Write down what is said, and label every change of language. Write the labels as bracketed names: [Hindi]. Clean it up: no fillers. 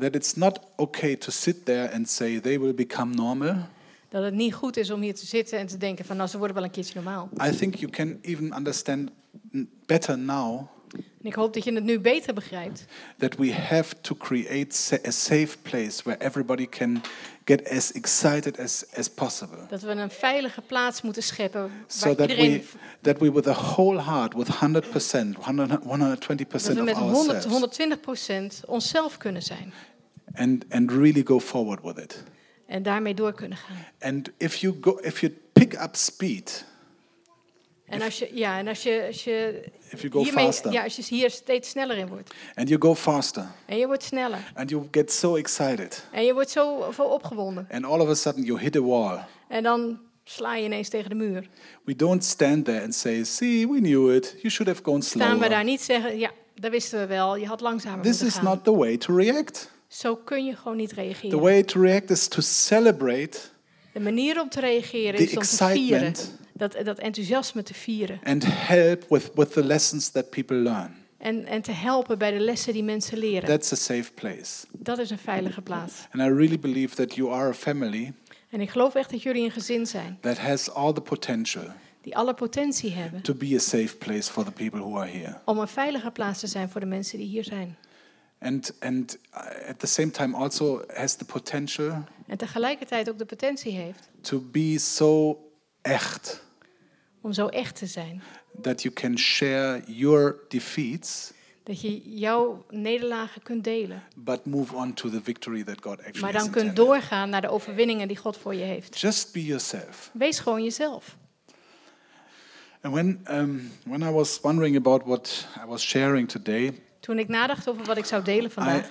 [English] That it's not okay to sit there and say they will become normal. [Dutch] Dat het niet goed is om hier te zitten en te denken van, nou, ze worden wel een keertje normaal. [English] I think you can even understand better now. [Dutch] En ik hoop dat je het nu beter begrijpt. [English] That we have to create a safe place where everybody can get as excited as possible. [Dutch] Dat we een veilige plaats moeten scheppen waar [English] so [Dutch] iedereen. [English] That we with a whole heart, with 100%, 120% of ourselves. [Dutch] Dat we met 120% onszelf kunnen zijn. [English] And really go forward with it. [Dutch] En daarmee door kunnen gaan. [English] And if you go, if you pick up speed. [Dutch] En als je, ja, en als je, als je [English] if you go [Dutch] hiermee, [English] faster. [Dutch] Ja, als je hier steeds sneller in wordt. [English] And you go faster. [Dutch] En je wordt sneller. [English] And you get so excited. [Dutch] En je wordt zo opgewonden. [English] And all of a sudden you hit a wall. [Dutch] En dan sla je ineens tegen de muur. [English] We don't stand there and say, see, we knew it. You should have gone slower. [Dutch] Staan we daar niet zeggen, ja, dat wisten we wel. Je had langzamer [English] this [Dutch] moeten gaan. [English] This is not the way to react. [Dutch] Zo kun je gewoon niet reageren. [English] The way to react is to celebrate. [Dutch] De manier om te reageren is om te vieren. Dat enthousiasme te vieren. [English] And help with the lessons that people learn. [Dutch] En te helpen bij de lessen die mensen leren. [English] That's a safe place. [Dutch] Dat is een veilige plaats. [English] And I really believe that you are a family. [Dutch] En ik geloof echt dat jullie een gezin zijn. [English] That has all the potential. [Dutch] Die alle potentie hebben. [English] To be a safe place for the people who are here. [Dutch] Om een veilige plaats te zijn voor de mensen die hier zijn. [English] And at the same time also has the potential. [Dutch] En tegelijkertijd ook de potentie heeft. [English] To be so [Dutch] echt. Om zo echt te zijn. [English] That you can share your defeats. [Dutch] dat je jouw nederlagen kunt delen. [English] But move on to the victory that God actually. [Dutch] Maar dan kunt doorgaan naar de overwinningen die God voor je heeft. [English] Just be yourself. [Dutch] Wees gewoon jezelf. [English] And when I was wondering about what I was sharing today. [Dutch] Toen ik nadacht over wat ik zou delen vandaag.